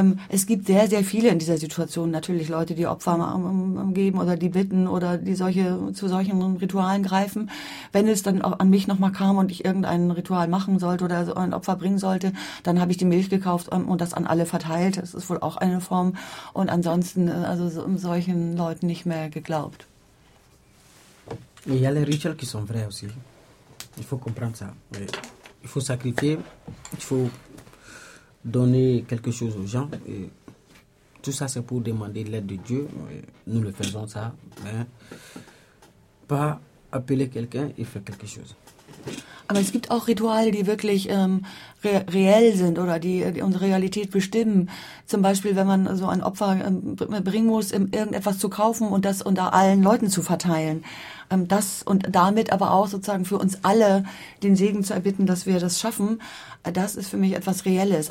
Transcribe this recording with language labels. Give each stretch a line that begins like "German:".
German: Es gibt sehr, sehr viele in dieser Situation. Natürlich Leute, die Opfer geben oder die bitten oder die solche zu solchen Ritualen greifen. Wenn es dann auch an mich nochmal kam und ich irgendein Ritual machen sollte oder so ein Opfer bringen sollte, dann habe ich die Milch gekauft und das an alle verteilt. Das ist wohl auch eine Form. Und ansonsten also so, um solchen Leuten nicht mehr geglaubt.
French: Il y a les rituels qui sont vrais aussi. Il faut comprendre ça. Oui. Il faut sacrifier, il faut donner quelque chose aux gens. Et tout ça, c'est pour demander l'aide de Dieu. Oui. Nous le faisons ça. Mais pas appeler quelqu'un et faire quelque chose.
German: Aber es gibt auch Rituale, die wirklich reell sind oder die unsere Realität bestimmen. Zum Beispiel, wenn man so ein Opfer bringen muss, irgendetwas zu kaufen und das unter allen Leuten zu verteilen. Das und damit aber auch sozusagen für uns alle den Segen zu erbitten, dass wir das schaffen, das ist für mich etwas Reelles.